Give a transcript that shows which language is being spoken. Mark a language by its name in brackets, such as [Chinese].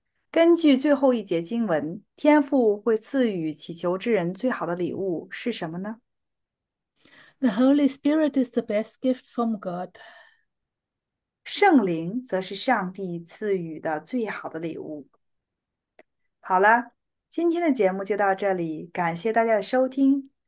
[Chinese] 根据最后一节经文，天父会赐予祈求之人最好的礼物是什么呢？ [English] The Holy Spirit is the best gift from God. [Chinese] 圣灵则是上帝赐予的最好的礼物。好了，今天的节目就到这里，感谢大家的收听，祝大家2026年1月份新春快乐！